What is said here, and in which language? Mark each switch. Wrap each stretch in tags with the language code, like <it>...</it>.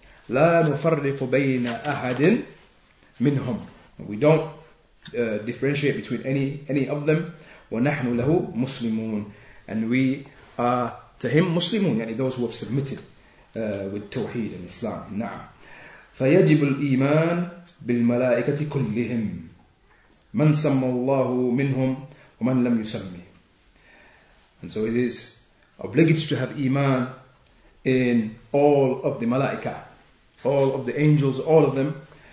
<ar>لا نفرق بين أحد منهم.</ar> <en>We don't differentiate between any of them.</en> <ar>ونحن له مسلمون.</ar> <en>And we are to him مسلمون, يعني those who have submitted with Tawheed and Islam.</en> <ar>نعم. فيجب الإيمان بالملائكة كلهم. من سمى الله منهم ومن لم يسمي.</ar> <en>And so it is obligatory to have Iman in all of the Malaika, all of the angels, all of them.</en>